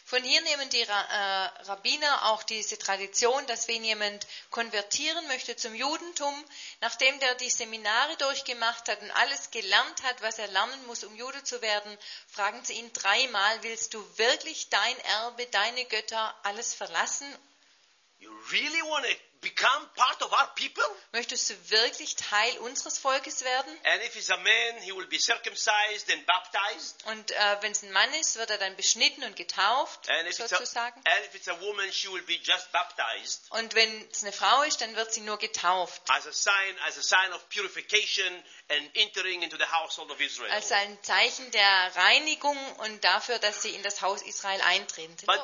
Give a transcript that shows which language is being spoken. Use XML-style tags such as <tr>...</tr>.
<de>Von hier nehmen die Rabbiner auch diese Tradition, dass wenn jemand konvertieren möchte zum Judentum, nachdem der die Seminare durchgemacht hat und alles gelernt hat, was er lernen muss, um Jude zu werden, fragen sie ihn dreimal, willst du wirklich dein Erbe, deine Götter, alles verlassen?</de> <en>You really want to become part of our people?</en> <de>Möchtest du wirklich Teil unseres Volkes werden?</de> <en>And if he's a man, he will be circumcised and baptized.</en> <de>Und wenn es ein Mann ist, wird er dann beschnitten und getauft, sozusagen.</de> <en>And if it's a woman, she will be just baptized.</en> <de>Und wenn es eine Frau ist, dann wird sie nur getauft.</de> <en>As a sign of purification and entering into the household of Israel.</en> <de>Als ein Zeichen der Reinigung und dafür, dass sie in das Haus Israel eintreten.</de>